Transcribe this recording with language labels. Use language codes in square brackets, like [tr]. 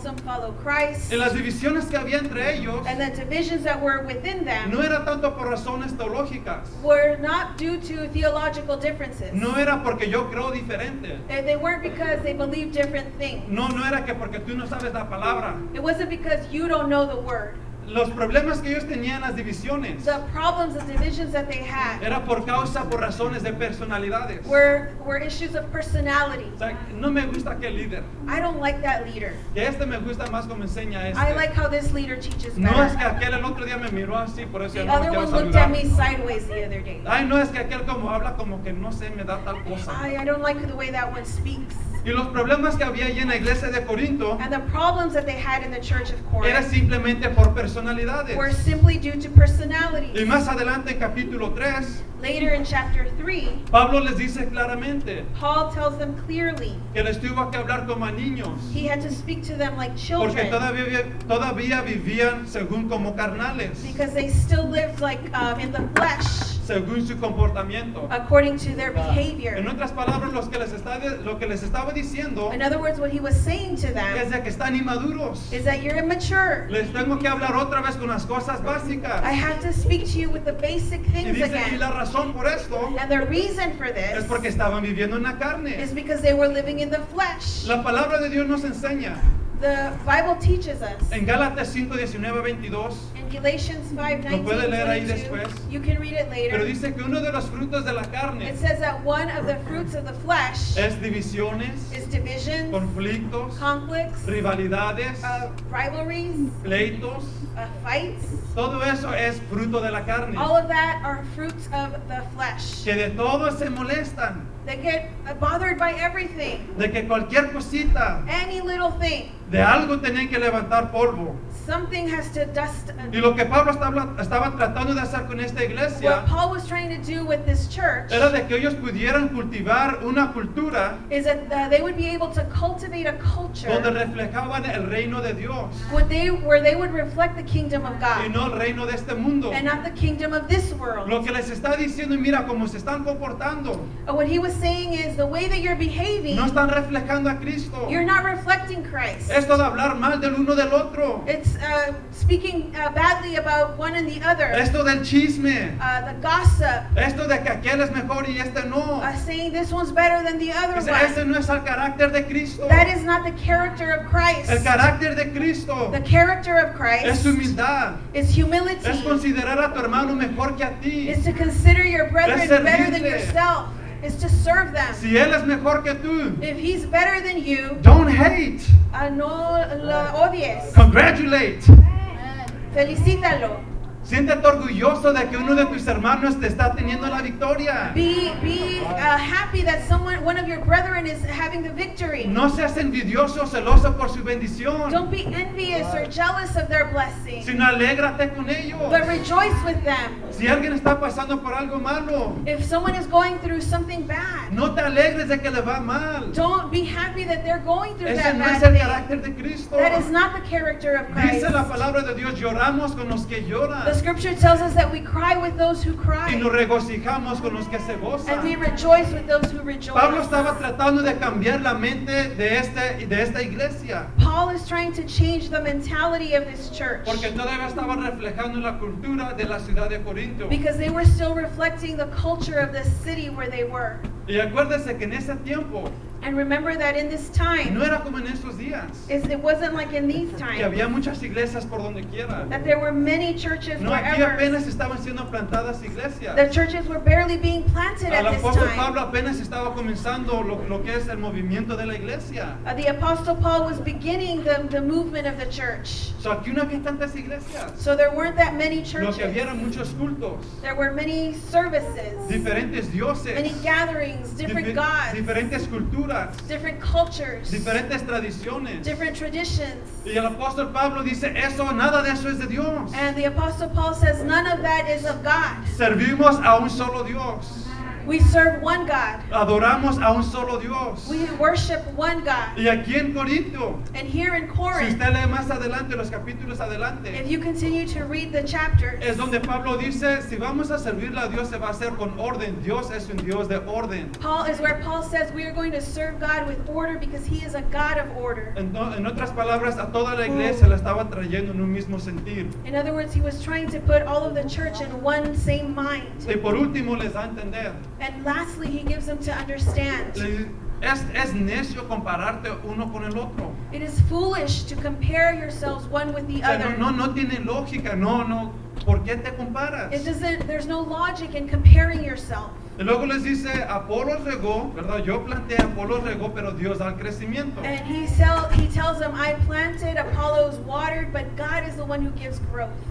[en] Some follow Christ. [es] En las divisiones que había entre ellos. [en] And the divisions that were within them. [es] No era tanto por razones teológicas. [en] Were not due to theological differences. [es] No era porque yo creo diferente. [en] They weren't because they believed different things. [es] No era que porque tú no sabes la palabra. [en] It wasn't because you don't know the word. [es] Los problemas que ellos tenían, las divisiones. [en] The problems, the divisions that they had. [es] Era por causa, por razones de personalidades. [en] Were issues of personality. [es] O sea, no me gusta aquel líder. [en] I don't like that leader. [es] Que este me gusta más como enseña este. [en] I like how this leader teaches [es] no [en] better. [es] Es que aquel el otro día me miró así, por eso [en] the [es] no [en] other [es] me [en] one [es] saludar. [en] Looked at me sideways the other day. [es] Ay, no es que aquel como habla como que no sé, me da tal cosa. [en] I don't like the way that one speaks. [es] Y los problemas que había allí en la iglesia de Corinto, [en] and the problems that they had in the church of Corinth, [es] era simplemente por personalidades, [en] were simply due to personalities. [es] Y más adelante en capítulo 3, [en] later in chapter 3, [es] Pablo les dice claramente, [en] Paul tells them clearly, [es] que les tuvo que hablar como a niños, [en] he had to speak to them like children, [es] porque todavía vivían según como carnales, [en] because they still lived like in the flesh, [es] según su comportamiento, [en] according to their behavior. [es] En otras palabras, lo que les estaba diciendo, [en] in other words, what he was saying to them, [es] es de que están inmaduros, [en] is that you're immature. [es] Les tengo que hablar otra vez con las cosas básicas. [en] I have to speak to you with the basic things again. [es] Y la razón por esto, [en] and the reason for this, [es] es porque estaban viviendo en la carne, [en] is because they were living in the flesh. [es] La palabra de Dios nos enseña, [en] the Bible teaches us, [es] en Gálatas 5:19-22. [en] Galatians 5:19. [es] Lo puede leer ahí después. [en] You can read it later. [es] Pero dice que uno de los frutos de la carne, [en] it says that one of the fruits of the flesh, [es] es divisiones, [en] is divisions, [es] conflictos, [en] conflicts, [es] rivalidades, [en] rivalries, [es] pleitos, [en] fights. [es] Todo eso es fruto de la carne. [en] All of that are fruits of the flesh. [es] Que de todo se molestan. [en] They get bothered by everything. [es] De que cualquier cosita, [en] any little thing. [es] De algo tienen que levantar polvo. [en] Something has to dust. [es] Y lo que Pablo estaba tratando de hacer con esta iglesia, [en] what Paul was trying to do with this church, [es] era de que ellos pudieran cultivar una cultura, [en] is that they would be able to cultivate a culture, [es] donde reflejaban el reino de Dios, [en] where they would reflect the kingdom of God, [es] y no el reino de este mundo, [en] and not the kingdom of this world. [es] Lo que les está diciendo, mira cómo se están comportando, [en] what he was saying is the way that you're behaving, [es] no están reflejando a Cristo, [en] you're not reflecting Christ. [es] Esto de hablar mal del uno del otro, [en] it's speaking badly about one and the other. [es] Esto del chisme, [en] the gossip. [es] Esto de que aquel es mejor y este no. [en] Saying this one's better than the other one. [es] Ese no es el carácter de Cristo. [en] That is not the character of Christ. [es] El carácter de Cristo. [en] The character of Christ. [es] Es humildad. [en] Is humility. [es] Es considerar a tu hermano mejor que a ti. [en] Is to consider your brethren better than yourself. Is to serve them. [es] Si él es mejor que tú, [en] if he's better than you, don't hate. [es] No lo odies. [en] Congratulate. [es] Felicítalo. Siéntete orgulloso de que uno de tus hermanos te está teniendo la victoria. [en] Be happy that someone, one of your brethren, is having the victory. [es] No seas envidioso o celoso por su bendición. [en] Don't be envious or jealous of their blessing. [es] Sino alégrate con ellos. [en] But rejoice with them. [es] Si alguien está pasando por algo malo, [en] if someone is going through something bad, [es] no te alegres de que le va mal. [en] Don't be happy that they're going through [es] ese [en] that [es] no [en] bad [es] es el carácter de Cristo. [en] That is not the character of Christ. [es] Dice la palabra de Dios, lloramos con los que lloran. [en] The scripture tells us that we cry with those who cry. [es] Y nos regocijamos con los que se gozan. [en] And we rejoice with those who rejoice. [es] Pablo estaba tratando de cambiar la mente de esta iglesia. [en] Paul is trying to change the mentality of this church. [es] Porque todavía estaban reflejando la cultura de la ciudad de Corinto. [en] Because they were still reflecting the culture of the city where they were. [es] Y acuérdese que en ese tiempo, [en] and remember that in this time, [es] no era como en estos días, [en] it wasn't like in these times, [es] que había muchas iglesias por donde quiera, [en] that there were many churches [es] no, [en] wherever. [es] No, aquí apenas estaban siendo plantadas iglesias. [en] The churches were barely being planted [es] al [en] at this time. [es] Pablo apenas estaba comenzando lo que es el movimiento de la iglesia. [en] The Apostle Paul was beginning the movement of the church. [es] So aquí no había tantas iglesias. [en] So there weren't that many churches. [es] Lo que había eran muchos cultos. [en] There were many services. [es] Diferentes dioses. [en] Many gatherings, different gods. [es] Diferentes culturas. [en] Different cultures, [es] diferentes tradiciones, [en] different traditions. [es] Y el apóstol Pablo dice eso, nada de eso es de Dios. [en] And the apostle Paul says none of that is of God. [es] Servimos a un solo Dios. [en] We serve one God. [es] Adoramos a un solo Dios. [en] We worship one God. [es] Y aquí en Corinto, [en] and here in Corinth, [es] si usted lee más adelante, los capítulos adelante, [en] if you continue to read the chapters, [es] es donde Pablo dice, si vamos a servirle a Dios, se va a hacer con orden. Dios es un Dios de orden. [en] Paul is where Paul says we are going to serve God with order because he is a God of order. [es] En otras palabras, a toda la iglesia la estaba trayendo en un mismo sentir. [en] In other words, he was trying to put all of the church in one same mind. [es] Y por último les da a entender. [en] And lastly, he gives them to understand. [es] Es necio compararte uno con el otro. [en] It is foolish to compare yourselves one with the other. [es] No tiene lógica. No. ¿Por qué te comparas? [en] There's no logic in comparing yourself. [es] Y luego les dice, Apolo regó, ¿verdad? Yo planté, Apolo regó, pero Dios da el crecimiento. [en] And he tells them, I planted, Apollo's watered, but God is the one who gives growth.